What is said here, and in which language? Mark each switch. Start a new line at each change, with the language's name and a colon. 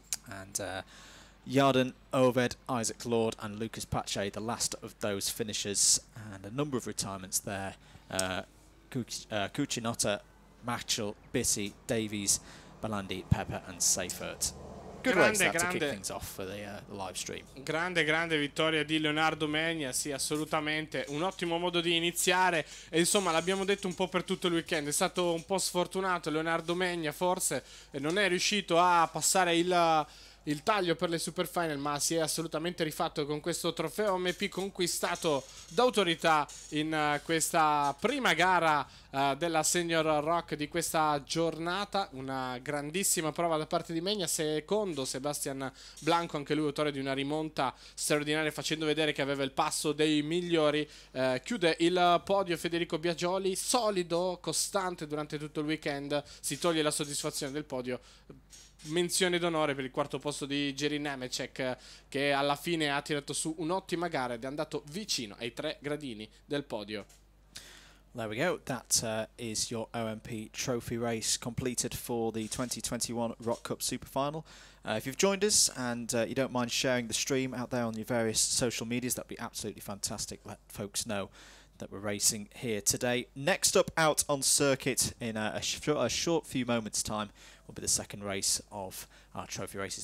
English: And Yarden, Oved, Isaac Lord and Lucas Pache, the last of those finishers, and a number of retirements there. Cucinotta, Machel, Bissi, Davies, Balandi, Pepper and Seifert. Good
Italian: grande,
English: race that to kick things off for the live stream.
Italian: Grande, grande vittoria di Leonardo Megna, sì, assolutamente. Un ottimo modo di iniziare. E insomma, l'abbiamo detto un po' per tutto il weekend. È stato un po' sfortunato Leonardo Megna, forse non è riuscito a passare il taglio per le Superfinal, ma si è assolutamente rifatto con questo trofeo MP conquistato d'autorità in questa prima gara della Senior Rock di questa giornata. Una grandissima prova da parte di Megna, secondo Sebastian Blanco, anche lui autore di una rimonta straordinaria, facendo vedere che aveva il passo dei migliori. Chiude il podio Federico Biaggioli, solido, costante durante tutto il weekend, si toglie la soddisfazione del podio. Menzione d'onore per il quarto posto di Jerin Nemechek, che alla fine ha tirato su un'ottima gara ed è andato vicino ai 3 gradini del podio.
English: There we go, that is your OMP Trophy race completed for the 2021 Rock Cup Superfinal. If you've joined us and you don't mind sharing the stream out there on your various social medias, that'd be absolutely fantastic. Let folks know that we're racing here today. Next up out on circuit in a short few moments' time will be the second race of our trophy races.